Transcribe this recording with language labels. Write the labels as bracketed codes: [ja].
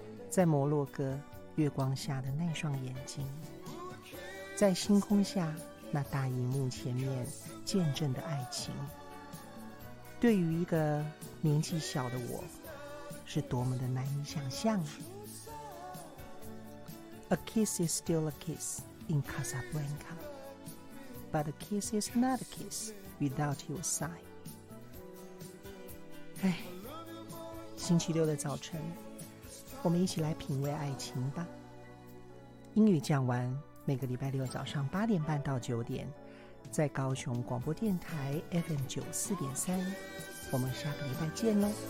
[zh] 在摩洛哥月光下的那双眼睛，在星空下那大荧幕前面见证的爱情，对于一个年纪小的我，是多么的难以想象啊。 [en] A kiss is still a kiss in Casablanca, but a kiss is not a kiss without your sigh. [zh] 哎，星期六的早晨，我们一起来品味爱情吧。英语讲完，每个礼拜六早上8:30到9:00，在高雄广播电台 FM94.3， 我们下个礼拜见喽。